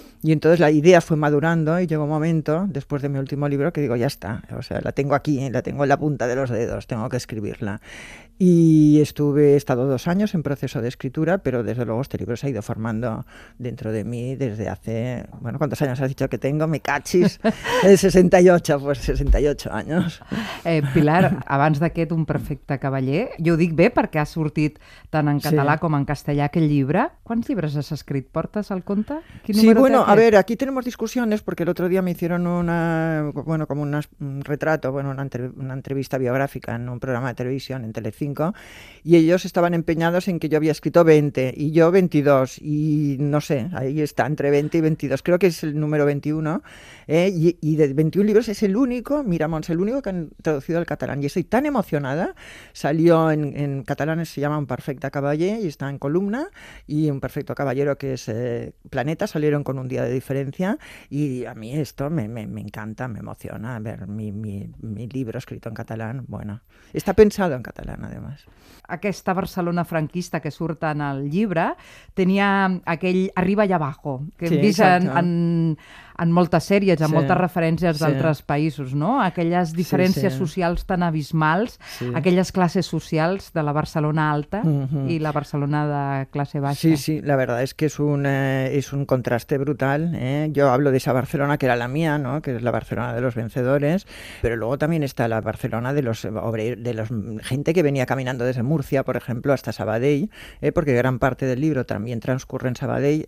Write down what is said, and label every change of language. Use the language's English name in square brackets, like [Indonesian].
[Spanish] Y entonces la idea fue madurando y llegó un momento, después de mi último libro, que digo, ya está, o sea, la tengo aquí, la tengo en la punta de los dedos, tengo que escribirla. Y he estado 2 años en proceso de escritura, pero desde luego este libro se ha ido formando dentro de mí desde hace, bueno, ¿cuántos años has dicho que tengo? Me cachis, 68, pues 68 años. [Catalan] Pilar, abans d'aquest, un perfecte Benedicta Cavaller. Jo ho dic bé perquè ha sortit tant en català com en castellà aquest llibre. Quants llibres has escrit? Portes al compte? Quin número [Spanish] a ver, aquí tenemos discusiones porque el otro día me hicieron una, bueno, como un retrato, bueno, una entrevista biográfica en un programa de televisión en Telecinco, y ellos estaban empeñados en que yo había escrito 20 y yo 22, y no sé, ahí está, entre 20 y 22, creo que es el número 21, y de 21 libros es el único, mira Mons, el único que han traducido al catalán, y estoy tan emocionada, salió en catalán, se llama Un perfecte cavaller y está en columna, y Un perfecto caballero que es Planeta, salieron con un día de diferencia, y a mí esto me encanta, me emociona ver mi libro escrito en catalán, bueno, está pensado en catalán además. [Catalan] Aquesta Barcelona franquista que surt en el llibre tenia aquell arriba i abajo, que hem vist en moltes sèries, en moltes referències d'altres països, no? Aquelles diferències socials tan abismals, aquelles classes socials de la Barcelona alta i la Barcelona de classe baixa. [Spanish] Sí, sí, la verdad es que es un contraste brutal, Yo hablo de esa Barcelona que era la mía, ¿no? Que es la Barcelona de los vencedores, pero luego también está la Barcelona de los obreros, de los gente que venía caminando desde Murcia, por ejemplo, hasta Sabadell, porque gran parte del libro también transcurre en Sabadell.